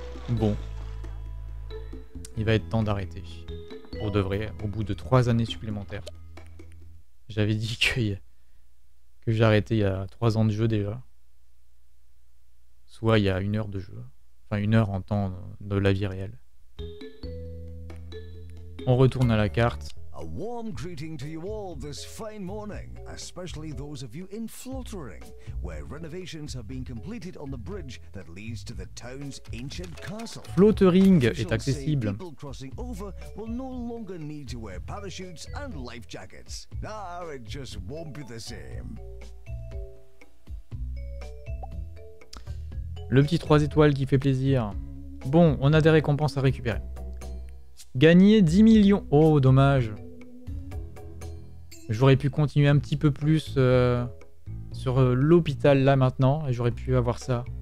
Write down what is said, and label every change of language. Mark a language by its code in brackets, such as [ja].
[fr] Bon, il va être temps d'arrêter, pour de vrai, au bout de 3 années supplémentaires. J'avais dit que j'arrêtais il y a 3 ans de jeu déjà. Soit il y a 1 heure de jeu, enfin 1 heure en temps de la vie réelle. On retourne à la carte. [en] A warm greeting to you all this fine morning, especially those of you in Fluttering, where renovations have been completed on the bridge that leads to the town's ancient castle. [fr] Fluttering est accessible. [en] People crossing over will no longer need to wear parachutes and life jackets. Ah, it just won't be the same. [fr] Le petit 3 étoiles qui fait plaisir. Bon, on a des récompenses à récupérer. Gagner 10 millions. Oh, dommage. J'aurais pu continuer un petit peu plus sur l'hôpital là maintenant et j'aurais pu avoir ça.